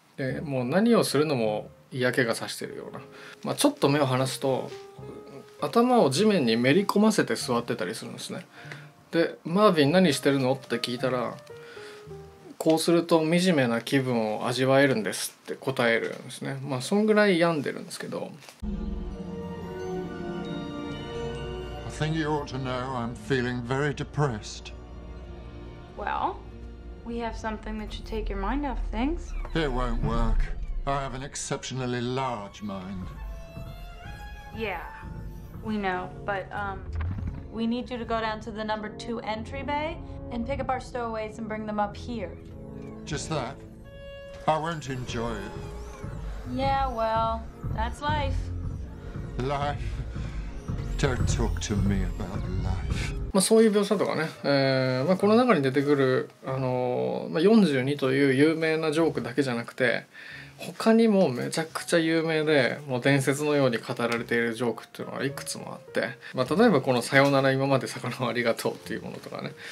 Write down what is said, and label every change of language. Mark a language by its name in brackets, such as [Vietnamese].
[Japanese] でもう何をするのも嫌気がさしてるような、まあ、ちょっと目を離すと頭を地面にめり込ませて座ってたりするんですね。でマービン何してるのって聞いたら、こうすると惨めな気分を味わえるんですって答えるんですね。まあそんぐらい病んでるんですけど、 [English] I think you ought to know I'm feeling very depressed. Well, we have something that should take your mind off things. It won't work. I have an exceptionally large mind. Yeah, we know, but We need you to go down to the number 2 entry bay and pick up our stowaways and bring them up here. Just that? I won't enjoy it. Yeah, well, that's life. Life? Don't talk to me about life. [Japanese] まあそういう描写とかね、まあこの中に出てくる42という有名なジョークだけじゃなくて、他にもめちゃくちゃ有名でもう伝説のように語られているジョークっていうのがいくつもあって、まあ、例えばこのさよなら今まで魚をありがとうっていうものとかね。